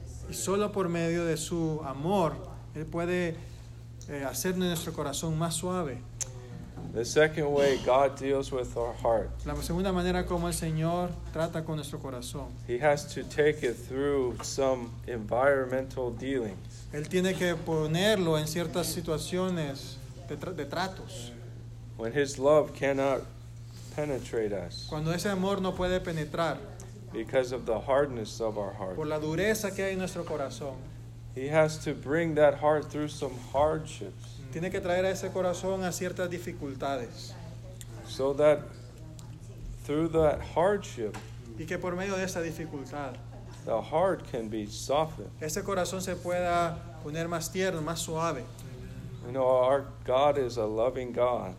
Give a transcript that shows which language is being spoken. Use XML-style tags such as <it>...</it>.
<es>Y solo por medio de su amor, Él puede hacer nuestro corazón más suave.</es> <en>The second way God deals with our heart.</en> <es>La segunda manera como el Señor trata con nuestro corazón.</es> <en>He has to take it through some environmental dealings.</en> <es>Él tiene que ponerlo en ciertas situaciones de tratos.</es> <en>When His love cannot penetrate us.</en> <es>Cuando ese amor no puede penetrar.</es> <en>Because of the hardness of our heart.</en> <es>Por la dureza que hay en nuestro corazón.</es> <en>He has to bring that heart through some hardships.</en> <es>Tiene que traer a ese corazón a ciertas dificultades.</es> <en>So that through that hardship.</en> <es>Y que por medio de esa dificultad.</es> <en>The heart can be softened.</en> <es>Ese corazón se pueda poner más tierno, más suave.</es> <en>You know, our God is a loving God.</en>